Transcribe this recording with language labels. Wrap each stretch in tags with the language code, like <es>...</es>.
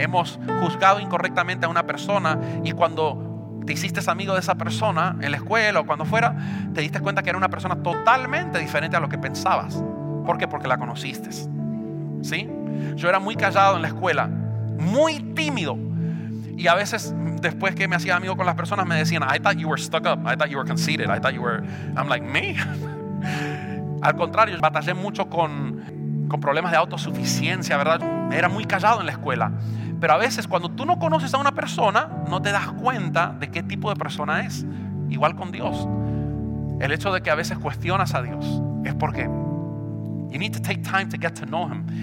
<es>Hemos juzgado incorrectamente a una persona, y cuando te hiciste amigo de esa persona en la escuela o cuando fuera, te diste cuenta que era una persona totalmente diferente a lo que pensabas. ¿Por qué? Porque la conociste. ¿Sí? Yo era muy callado en la escuela, muy tímido. Y a veces, después que me hacía amigo con las personas, me decían,</es> <en>I thought you were stuck up, I thought you were conceited, I thought you were... I'm like, me?</en> <es>Al contrario, batallé mucho con problemas de autosuficiencia, ¿verdad? Era muy callado en la escuela. Pero a veces, cuando tú no conoces a una persona, no te das cuenta de qué tipo de persona es. Igual con Dios. El hecho de que a veces cuestionas a Dios es porque</es> <en>you need to take time to get to know him.</en>